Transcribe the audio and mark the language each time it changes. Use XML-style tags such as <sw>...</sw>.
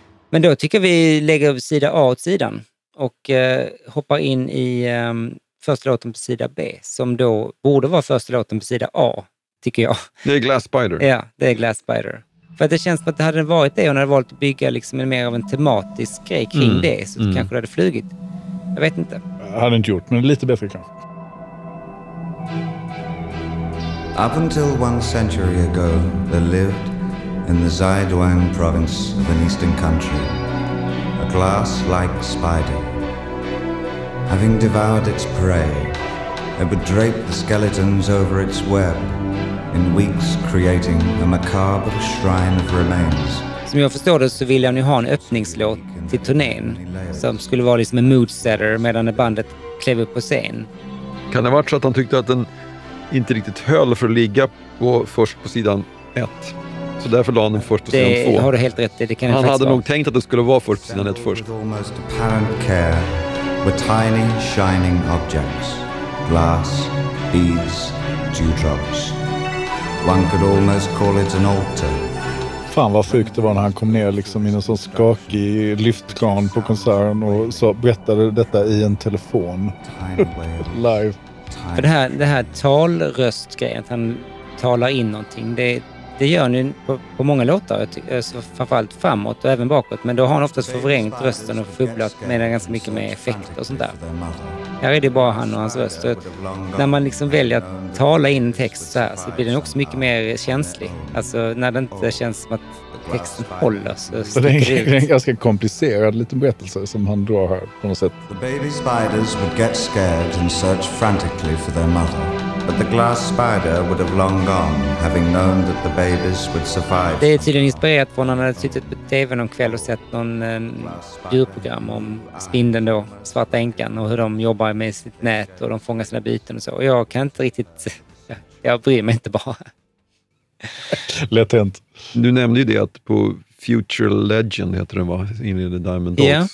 <sv>Men då tycker vi lägger sida A åt sidan och hoppar in i första låten på sida B, som då borde vara första låten på sida A, tycker jag. Det är Glass Spider. Ja, det är Glass Spider. För att det känns som att det hade varit det, och när det valt att bygga liksom mer av en tematisk grej kring det, så det kanske det hade flugit. Jag vet inte. Jag hade inte gjort, men lite bättre kanske.</sv> <en>Up until one century ago, there lived in the Zhejiang province of an eastern country a glass-like spider. Having devoured its prey, it would drape the skeletons over its web, in weeks creating a macabre shrine of remains.</en> <sv>Som jag förstår det, så ville han ju ha en öppningslåt till turnén som skulle vara liksom en moodsetter medan bandet klev upp på scen. Kan det vara så att han tyckte att den inte riktigt höll för att ligga på, först på sidan ett? Så därför la han den först på det, sidan två. Det har du helt rätt i. Han hade nog tänkt att det skulle vara först på sidan ett först.</sv> <en>Almost apparent care with tiny shining objects, glass, beads, dewdrops. One could almost call it an altar.</en> <sv>Fan vad sjukt det var när han kom ner liksom i en sån skakig lyftkran på konserten och så berättade detta i en telefon. Live. För det här talröstgrejen, att han talar in någonting, det gör han ju på många låtar, framförallt framåt och även bakåt, men då har han oftast förvrängt rösten och fubblat med ganska mycket med effekt och sånt där. Här är det bara han och hans röst. Och när man liksom väljer att tala in text så här, så blir den också mycket mer känslig. Alltså när det inte känns som att texten håller så sticker det ut. Det är en ganska komplicerad liten berättelse som han drar här på något sätt.</sv> <en>The baby spiders would get scared and search frantically for their mother. But the glass spider would have long gone, having known that the babies would survive.</en> <sv>Det är tydligen inspirerat från när han hade suttit på TV någon kväll och sett någon djurprogram om spindeln då, svarta änkan, och hur de jobbar med sitt nät och de fångar sina byten och så. Och jag kan inte riktigt, jag bryr mig inte bara. Lätt hänt. Du nämnde ju det att på Future Legend heter den, va, in i The Diamond Dogs. Yeah.</sv>